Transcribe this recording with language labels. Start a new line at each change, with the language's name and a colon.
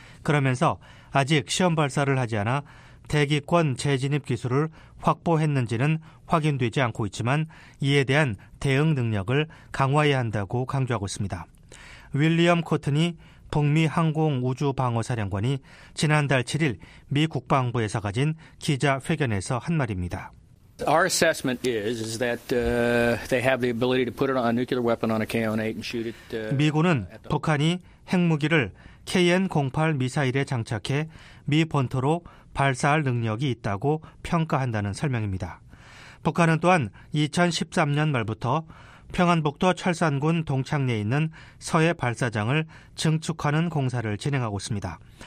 Korean: 그러면서 아직 시험 발사를 하지 않아 대기권 재진입 기술을 확보했는지는 확인되지 않고 있지만 이에 대한 대응 능력을 강화해야 한다고 강조하고 있습니다. 윌리엄 코튼이 북미 항공우주방어사령관이 지난달 7일 미 국방부에서 가진 기자회견에서 한 말입니다.
English: Our assessment is that they have the ability to put it on a nuclear weapon on a KN-08 and shoot it.
Korean: 미군은 북한이 핵무기를 KN-08 미사일에 장착해 미 본토로 발사할 능력이 있다고 평가한다는 설명입니다. 북한은 또한 2013년 말부터 평안북도 철산군 동창리에 있는 서해 발사장을 증축하는 공사를 진행하고 있습니다.